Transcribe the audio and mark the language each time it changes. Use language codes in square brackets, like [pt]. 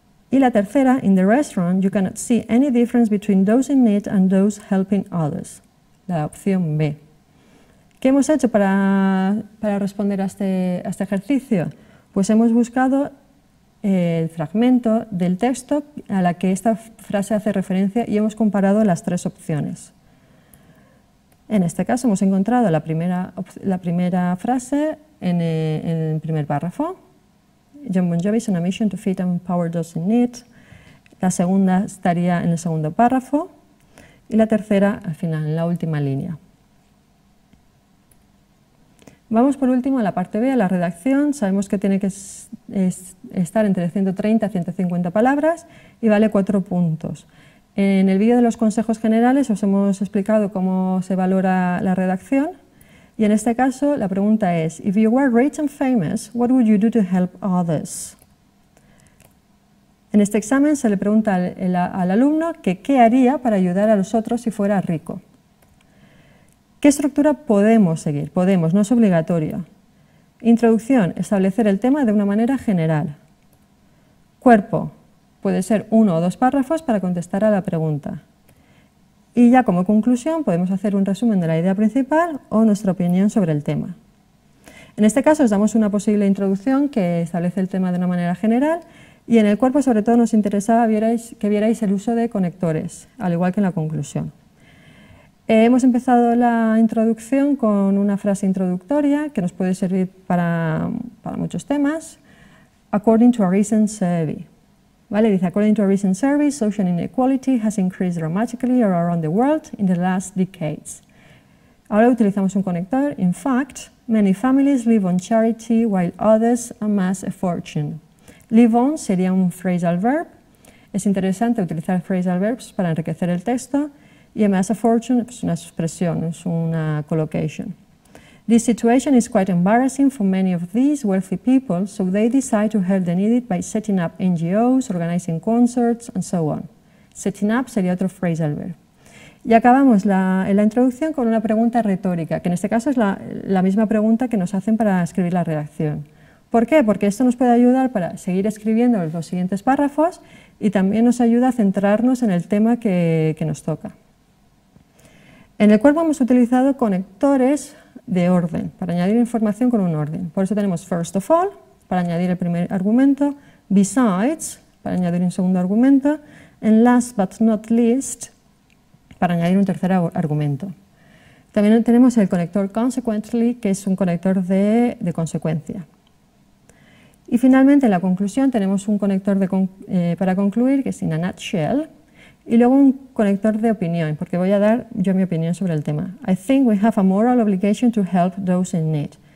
[es] Y la tercera, [en] in the restaurant, you cannot see any difference between those in need and those helping others, [es] la opción B. ¿Qué hemos hecho para responder a este ejercicio? Pues hemos buscado el fragmento del texto a la que esta frase hace referencia y hemos comparado las 3 opciones. En este caso hemos encontrado la primera frase en el primer párrafo. [en] John Bon Jovi's on a mission to feed and empower those in need. [es] La segunda estaría en el segundo párrafo. Y la tercera, al final, en la última línea. Vamos por último a la parte B, a la redacción. Sabemos que tiene que estar entre 130 y 150 palabras y vale 4 puntos. En el vídeo de los consejos generales os hemos explicado cómo se valora la redacción. Y en este caso la pregunta es, [en] if you were rich and famous, what would you do to help others? [es] En este examen se le pregunta al alumno que qué haría para ayudar a los otros si fuera rico. ¿Qué estructura podemos seguir? Podemos, no es obligatorio. Introducción, establecer el tema de una manera general. Cuerpo, puede ser uno o dos párrafos para contestar a la pregunta. Y ya como conclusión, podemos hacer un resumen de la idea principal o nuestra opinión sobre el tema. En este caso, os damos una posible introducción que establece el tema de una manera general. Y en el cuerpo, sobre todo, nos interesaba que vierais el uso de conectores, al igual que en la conclusión. Hemos empezado la introducción con una frase introductoria que nos puede servir para muchos temas. [en] According to a recent survey. [es] ¿Vale? [en] Dice, according to a recent survey, social inequality has increased dramatically around the world in the last decades. [es] Ahora utilizamos un conector. [en] In fact, many families live on charity while others amass a fortune. [es] Live on sería un phrasal verb. Es interesante utilizar phrasal verbs para enriquecer el texto. Y amass a fortune es una expresión, es una collocation. [en] This situation is quite embarrassing for many of these wealthy people, so they decide to help the needy by setting up NGOs, organizing concerts, and so on. [es] Setting up sería otro phrasal verb. Y acabamos la introducción con una pregunta retórica, que en este caso es la misma pregunta que nos hacen para escribir la redacción. ¿Por qué? Porque esto nos puede ayudar para seguir escribiendo los siguientes párrafos y también nos ayuda a centrarnos en el tema que nos toca. En el cuerpo hemos utilizado conectores de orden, para añadir información con un orden. Por eso tenemos first of all, para añadir el primer argumento, besides, para añadir un segundo argumento, and last but not least, para añadir un tercer argumento. También tenemos el conector consequently, que es un conector de consecuencia. Y finalmente, en la conclusión, tenemos un conector para concluir, que es in a nutshell, y luego un conector de opinión, porque voy a dar yo mi opinión sobre el tema. [en] I think we have a moral obligation to help those in need.